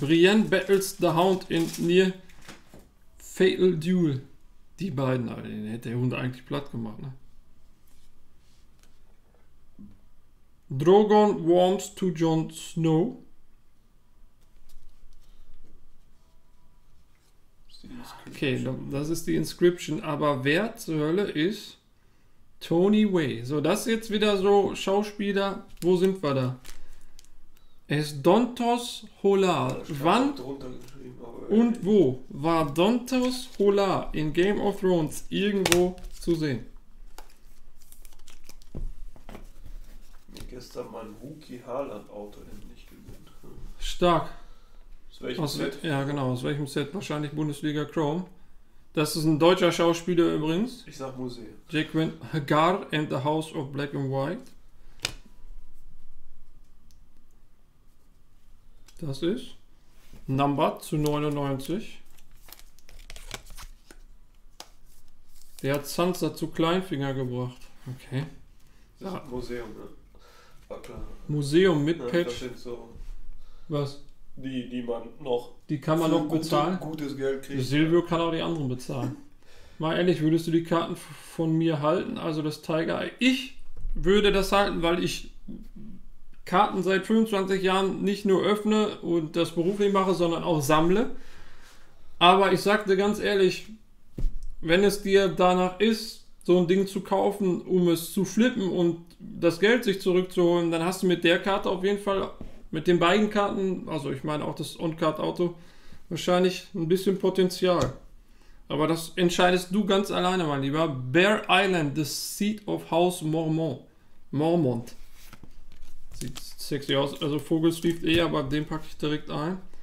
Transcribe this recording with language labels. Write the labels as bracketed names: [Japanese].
[English] Brienne battles the Hound in near Fatal Duel. [German] Die beiden, Alter, den hätte der Hund eigentlich platt gemacht, ne? [English] Drogon warms to Jon Snow. [German] Okay, das ist die Inscription, aber wer zur Hölle ist... Tony Way. So, das ist jetzt wieder so Schauspieler. Wo sind wir da? Es Dontos Hollar. Wann und wo war Dontos Hollar in Game of Thrones irgendwo zu sehen? Mir gestern mein Wookie Harland Auto endlich gewinnt. Stark. Aus welchem Set? Ja, genau. Aus welchem Set? Wahrscheinlich Bundesliga Chrome. Das ist ein deutscher Schauspieler übrigens. Ich sag Musee. [English] Jaqen H'ghar and the House of Black and White. [German] Das ist Number zu 99. Der hat Sansa zu Kleinfinger gebracht. Okay. Das ist ein Museum, ne? War klar. Museum mit ja, Patch. Das sind so. Was? Die man noch. Die kann man noch bezahlen. Gutes Geld kriegen. Silvio kann auch die anderen bezahlen. Mal ehrlich, würdest du die Karten von mir halten? Also das Tiger Eye. Ich würde das halten, weil ich Karten seit 25 Jahren nicht nur öffne und das beruflich mache, sondern auch sammle. Aber ich sag dir ganz ehrlich, wenn es dir danach ist, so ein Ding zu kaufen, um es zu flippen und das Geld sich zurückzuholen, dann hast du mit der Karte auf jeden Fall. Mit den beiden Karten, also ich meine auch das On-Card-Auto, wahrscheinlich ein bisschen Potenzial. Aber das entscheidest du ganz alleine, mein Lieber. [English] Bear Island, the seat of House Mormont. Mormont. [German] Sieht sexy aus, also Vogel schläft eh, aber den packe ich direkt ein.